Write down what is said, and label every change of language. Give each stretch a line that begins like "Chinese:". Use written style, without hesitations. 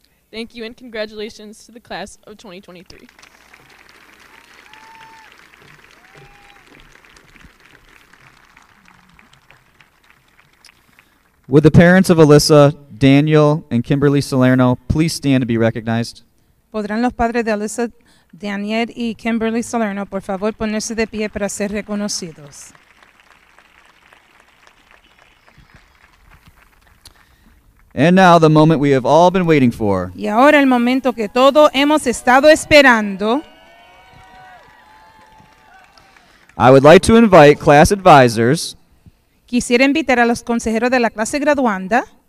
English: Thank you and congratulations to the class of 2023. Would the parents of Alyssa, Daniel, and Kimberly Salerno please stand to be recognized?
Spanish: ¿Podrán los padres de Alyssa, Daniel, y Kimberly Salerno por favor ponerse de pie para ser reconocidos?
English: And now the moment we have all been waiting for.
Spanish: Y ahora el momento que todos hemos estado esperando.
English: I would like to invite class advisors.
Spanish: Quisiera invitar a los consejeros de la clase graduanda.